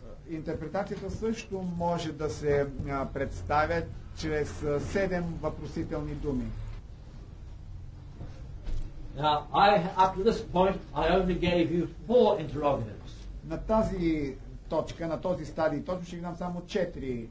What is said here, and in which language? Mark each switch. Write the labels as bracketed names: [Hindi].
[Bulgarian] Интерпретацията също може да се представя чрез седем въпросителни думи. [English] Now, up to this point, I only gave you four interrogatives. [Bulgarian] На тази точка, на този стадий, точно ще ви дам само четири.